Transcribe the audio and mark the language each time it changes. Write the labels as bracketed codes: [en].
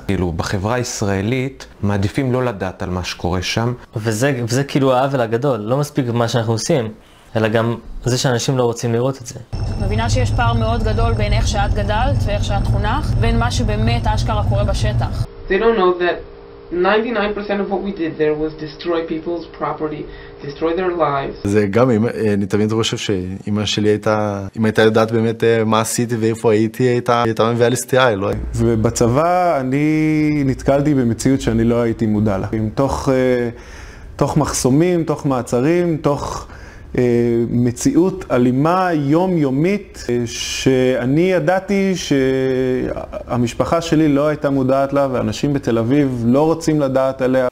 [he] כאילו, בחברה הישראלית מעדיפים לא לדעת על מה שקורה שם. וזה כאילו העוול הגדול, לא מספיק מה שאנחנו עושים, אלא גם זה שאנשים לא רוצים לראות את זה. מבינה שיש פער מאוד גדול בין איך שאת גדלת ואיך שאת חונכת, בין מה שבאמת אשכרה קורה בשטח. [en] They don't know that 99% of what we did there was destroy people's property, destroy their lives. [he] זה גם, אני תמיד חושב שאמא שלי הייתה יודעת באמת מה עשיתי ואיפה הייתי, הייתה מביאה לי סטייה, לא? ובצבא אני נתקלתי במציאות שאני לא הייתי מודע לה. תוך מחסומים, תוך מעצרים, תוך מציאות אלימה יומיומית, שאני ידעתי שהמשפחה שלי לא הייתה מודעת לה, ואנשים בתל אביב לא רוצים לדעת עליה.